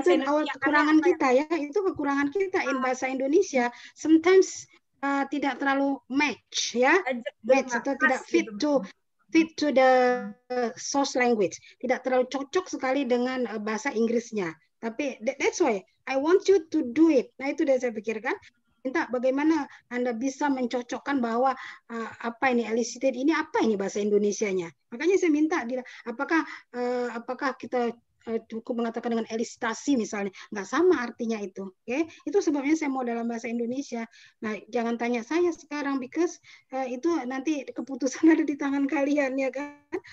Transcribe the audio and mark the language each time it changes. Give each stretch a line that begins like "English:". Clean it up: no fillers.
Indonesian: Itu awal kekurangan kita ya, itu kekurangan kita in bahasa Indonesia. Sometimes tidak terlalu match ya, match atau tidak fit to the source language, tidak terlalu cocok sekali dengan bahasa Inggrisnya.
English: Tapi that's why I want you to do it.
Indonesian: Nah itu yang saya pikirkan. Minta bagaimana Anda bisa mencocokkan bahwa apa ini elicited ini, apa ini bahasa Indonesianya. Makanya saya minta apakah kita cukup mengatakan dengan elicitasi misalnya, nggak sama artinya itu. Oke, okay? Itu sebabnya saya mau dalam bahasa Indonesia. Nah, jangan tanya saya sekarang, because itu nanti keputusan ada di tangan kalian ya kan.